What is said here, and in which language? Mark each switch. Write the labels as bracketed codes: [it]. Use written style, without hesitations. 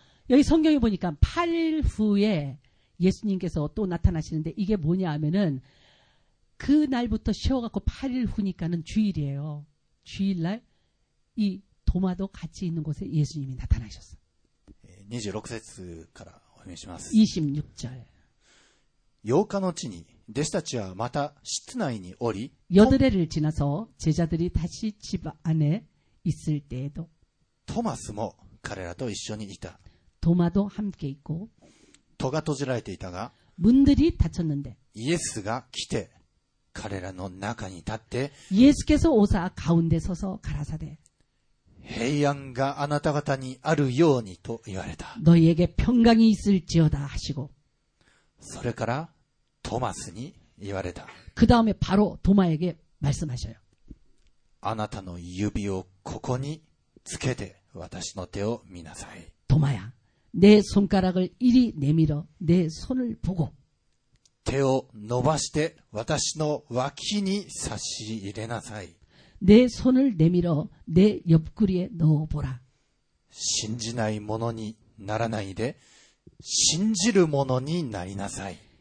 [ko] 여기성경에보니까8일후에예수님께서또나타나시는데이게뭐냐하면은그날부터쉬어갖고8일후니까는주일이에요주일날이도마도같이있는곳에예수님이나타나셨어 [ja] 26節からお読みします [ko] 26절 [ja] 8日のうちに弟子たちはまた室内におり [ko] 여드레를지나서제자들이다시집안에있을때에도 토마스도 [ja] 彼らと一緒にいた [ko] 도마도함께있고 [ja] 戸が閉じられていたが [ko] 문들이닫혔는데 [ja] イエスが来て彼らの中に立って [ko] 예수께서오사가운데서서가라사대 [ja] 平安があなた方にあるようにと言われた [ko] 너희에게평강이있을지어다하시고 [ja] それからトマスに言われた [ko] 그다음에바로도마에게말씀하셔요 [ja] あなたの指をここにつけて私の手を見なさい [ko] 도마야내손가락을이리내밀어내손을보고 [ja] 手を伸ばして私の脇に差し入れなさい [ko] 내손을내밀어내옆구리에넣어보라 [ja] 信じないものにならないで信じるものになりなさい